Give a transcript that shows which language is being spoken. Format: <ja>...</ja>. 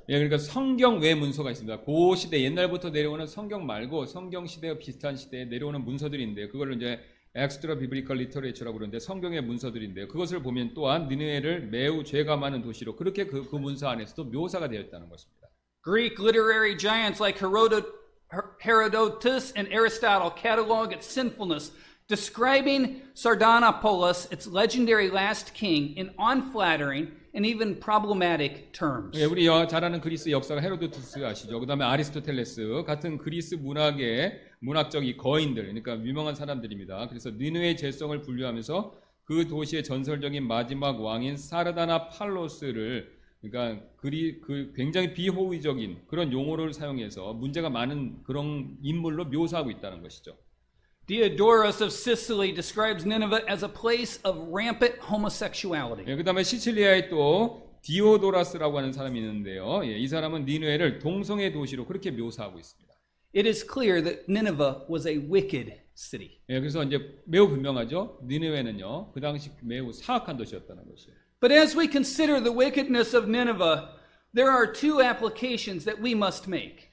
<ko>예, 그러니까 성경 외 문서가 있습니다. 고 시대 옛날부터 내려오는 성경 말고 성경 시대와 비슷한 시대에 내려오는 문서들인데 그걸 이제</ko> <en>extra biblical literature</en> <ko>라고 그러는데 성경의 문서들인데 그것을 보면 또한 니느웨를 매우 죄가 많은 도시로 그렇게 그 문서 안에서도 묘사가 되었다는 것입니다.</ko> <en>Greek literary giants like Herodotus and Aristotle catalog its sinfulness. Describing Sardanapalus, its legendary last king, in unflattering and even problematic terms.</en> <ko>예, 우리 잘 아는 그리스 역사가 헤로도토스 아시죠? 그다음에 아리스토텔레스 같은 그리스 문학의 문학적 이 거인들, 그러니까 유명한 사람들입니다. 그래서 니느웨의 죄성을 분류하면서 그 도시의 전설적인 마지막 왕인 사르다나팔로스를 그러니까 그 굉장히 비호의적인 그런 용어를 사용해서 문제가 많은 그런 인물로 묘사하고 있다는 것이죠.</ko> <en>Diodorus of Sicily describes Nineveh as a place of rampant homosexuality.</en> <ko>예, 그다음에 시칠리아에 또 디오도라스라고 하는 사람이 있는데요. 예, 이 사람은 니느웨를 동성애 도시로 그렇게 묘사하고 있습니다.</ko> <en>It is clear that Nineveh was a wicked city.</en> <ko>예, 그래서 이제 매우 분명하죠. 니느웨는요. 그 당시 매우 사악한 도시였다는 것이에요.</ko> <en>But as we consider the wickedness of Nineveh, There are two applications that we must make.</en>